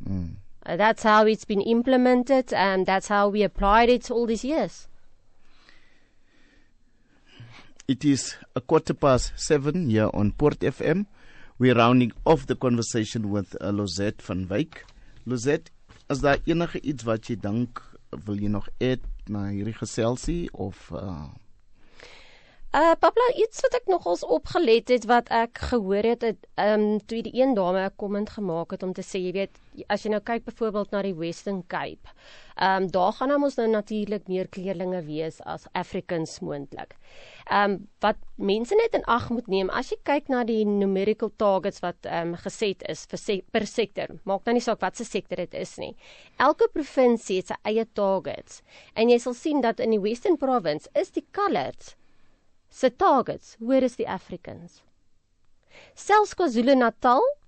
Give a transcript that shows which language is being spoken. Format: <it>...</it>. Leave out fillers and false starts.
<en>Mm. That's how it's been implemented, and that's how we applied it all these years. It is 7:15 here on Port FM. We're rounding off the conversation with Lozette Van Wyk.</en> <af>Lozette, is daar enige iets wat jy dink wil jy nog add na hierdie geselsie of? Pablo, iets wat ek nogals opgelet het, wat ek gehoor het, toe die een dame een comment gemaakt het om te sê, jy weet, as jy nou kyk bijvoorbeeld na die Western Cape, daar gaan ons nou natuurlijk meer kleerlinge wees as Africans moontlik. Wat mense net in acht moet neem, as jy kyk na die numerical targets wat geset is per sector, maak nou nie saak wat se sector het is nie. Elke provinsie het sy eie targets, en jy sal sien dat in die Western Province is die colored, se targets,</af> <en>where is the Africans?</en> <af>Selfs KwaZulu-Natal,</af>